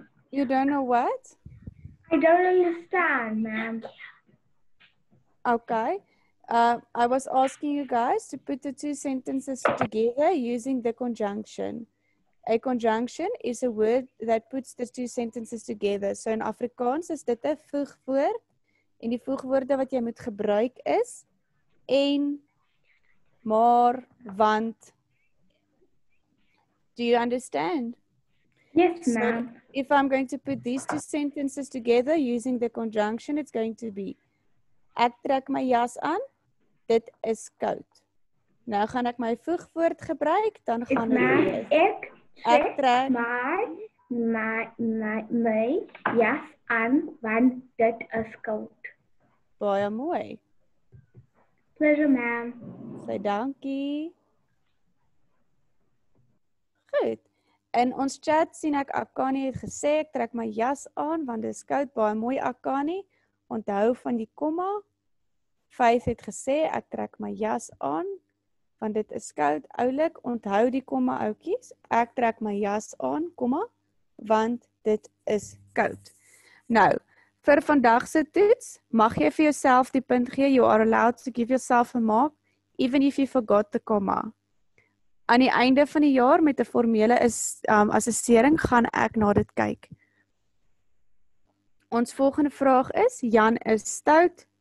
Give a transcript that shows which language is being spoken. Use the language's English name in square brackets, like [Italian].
[English] You don't know what? I don't understand, ma'am. Okay. I was asking you guys to put the two sentences together using the conjunction. A conjunction is a word that puts the two sentences together. [Afrikaans] So in Afrikaans is dit 'n voegwoord. En die voegwoorde wat jy moet gebruik is en, maar, want. [English] Do you understand? Yes, ma'am. So if I'm going to put these two sentences together using the conjunction, it's going to be [Afrikaans] ek trek my jas aan. Dit is koud. Nou gaan ek my voegwoord gebruik, dan gaan ek trek my jas aan, want dit is koud. Baie mooi. [English] Pleasure, ma'am. [Afrikaans] Sê dankie. Goed. In ons chat sien ek Akani het gesê, ek trek my jas aan, want dit is koud. Baie mooi, Akani. Onthou van die komma. Vyf het gesê, ek trek my jas aan, want dit is koud. Oulik, onthou die komma oukies. Ek trek my jas aan, komma, want dit is koud. Nou, vir vandag se toets, mag jy vir jouself die punt gee. [English] You are allowed to give yourself a mark, even if you forgot the komma. [Afrikaans] Aan die einde van die jaar met 'n formele assessering gaan ek na dit kyk. Ons volgende vraag is, Jan is stout.